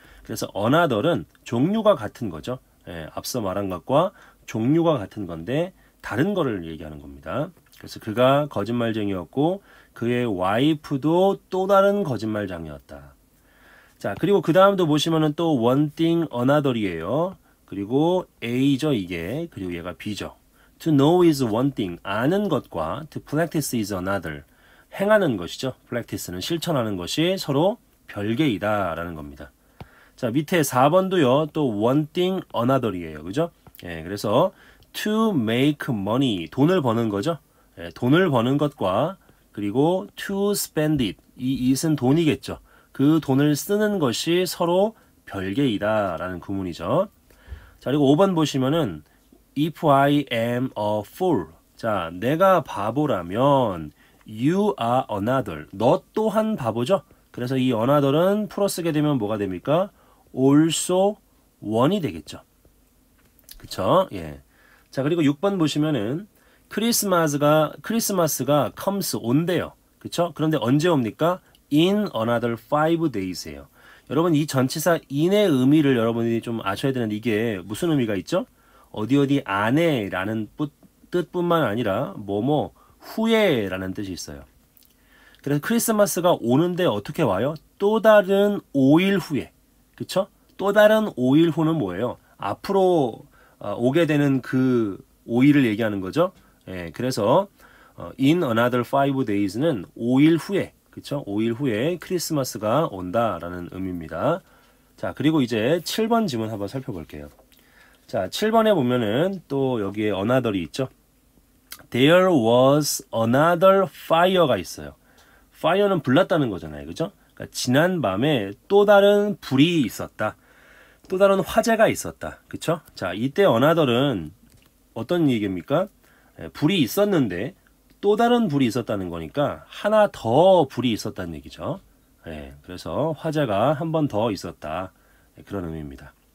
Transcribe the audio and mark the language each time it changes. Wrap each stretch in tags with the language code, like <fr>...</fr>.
<ko>그래서 another은 종류가 같은 거죠? 예, 앞서 말한 것과 종류가 같은 건데, 다른 거를 얘기하는 겁니다. 그래서 그가 거짓말쟁이였고 그의 와이프도 또 다른 거짓말쟁이였다. 자, 그리고 그 다음도 보시면은 또 one thing another이에요. 그리고 A죠, 이게. 그리고 얘가 B죠.</ko> <en>To know is one thing.</en> <ko>아는 것과</ko> <en>to practice is another.</en> <ko>행하는 것이죠. practice는 실천하는 것이 서로 별개이다라는 겁니다. 자, 밑에 4번도요. 또</ko> <en>one thing another이에요.</en> <ko>그죠? 예, 그래서</ko> <en>to make money.</en> <ko>돈을 버는 거죠. 돈을 버는 것과 그리고</ko> <en>to spend it.</en> <ko>이 it은 돈이겠죠. 그 돈을 쓰는 것이 서로 별개이다라는 구문이죠. 자, 그리고 5번 보시면은</ko> <en>if I am a fool.</en> <ko>자, 내가 바보라면</ko> <en>you are another.</en> <ko>너 또한 바보죠. 그래서 이 another은 풀어 쓰게 되면 뭐가 됩니까? also one이 되겠죠. 그쵸? 예. 자, 그리고 6번 보시면은 크리스마스가 comes 온대요. 그쵸? 그런데 언제 옵니까?</ko> <en>In another 5 days에요.</en> <ko>여러분, 이 전치사 in의 의미를 여러분이 좀 아셔야 되는데 이게 무슨 의미가 있죠? 어디 어디 안에라는 뜻뿐만 아니라 뭐뭐 후에라는 뜻이 있어요. 그래서 크리스마스가 오는데 어떻게 와요? 또 다른 5일 후에. 그쵸? 또 다른 5일 후는 뭐예요? 앞으로 오게 되는 그 5일을 얘기하는 거죠? 예, 그래서</ko> <en>in another 5 days</en> <ko>는 5일 후에, 그쵸? 5일 후에 크리스마스가 온다라는 의미입니다. 자, 그리고 이제 7번 지문 한번 살펴볼게요. 자, 7번에 보면은 또 여기에 another이 있죠?</ko> <en>There was another fire가 있어요.</en> <ko>fire는 불났다는 거잖아요, 그죠? 그러니까 지난밤에 또 다른 불이 있었다. 또 다른 화재가 있었다. 그쵸? 자, 이때 another은 어떤 얘기입니까? 불이 있었는데 또 다른 불이 있었다는 거니까 하나 더 불이 있었다는 얘기죠. 예, 그래서 화재가 한번더 있었다. 예, 그런 의미입니다.</ko>